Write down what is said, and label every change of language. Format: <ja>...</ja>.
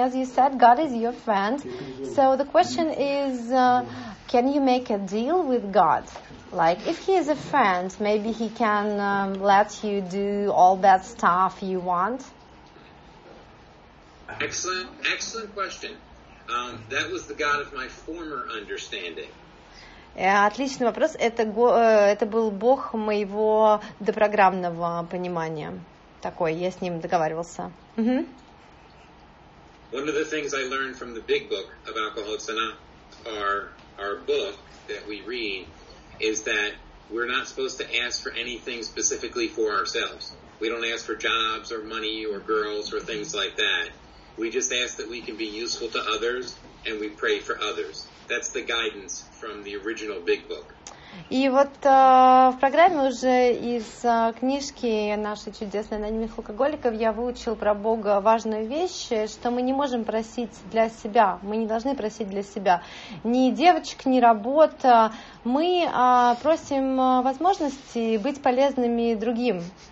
<en>As you said, God is your friend. So the question is, can you make a deal with God? Like, if he is a friend, maybe he can let you do all that stuff you want? Excellent question. That was the God of my former understanding.</en> <ru>Отличный вопрос. Это был Бог моего допрограммного понимания. Такой, я с ним договаривался.</ru> <en>One of the things I learned from the big book of Alcoholics Anonymous, our book that we read, is that we're not supposed to ask for anything specifically for ourselves. We don't ask for jobs or money or girls or things like that. We just ask that we can be useful to others and we pray for others. That's the guidance from the original big book.</en> <ru>И вот в программе уже из книжки нашей чудесной «Анонимных алкоголиков» я выучил про Бога важную вещь, что мы не можем просить для себя, мы не должны просить для себя ни девочек, ни работ. Мы просим возможности быть полезными другим.</ru>